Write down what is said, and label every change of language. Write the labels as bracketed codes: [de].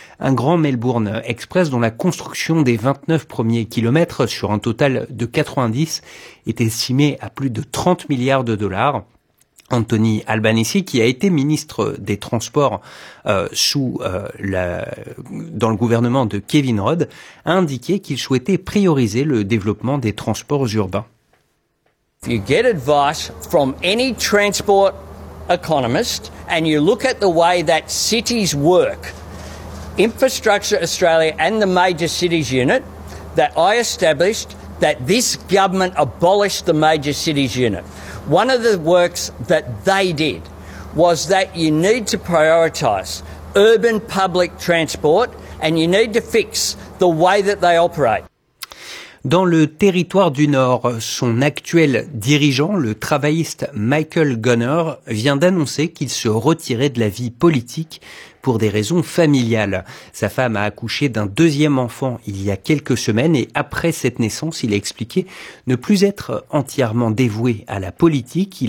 [fr] Un grand Melbourne Express dont la construction des 29 premiers kilomètres sur un total de 90 est estimée à plus de 30 milliards de dollars. Anthony Albanese, qui a été ministre des Transports dans le gouvernement de Kevin Rudd, a indiqué qu'il souhaitait prioriser le développement des transports urbains. [en] If you get advice from any transport economist and you look at the way that cities work, Infrastructure Australia and the Major Cities Unit that I established, that this government abolished the Major Cities Unit. One of the works that they did was that you need to prioritise urban public transport and you need to fix the way that they operate. [fr] Dans le territoire du Nord, son actuel dirigeant, le travailliste Michael Gunner, vient d'annoncer qu'il se retirait de la vie politique pour des raisons familiales. Sa femme a accouché d'un deuxième enfant il y a quelques semaines et après cette naissance, il a expliqué ne plus être entièrement dévoué à la politique.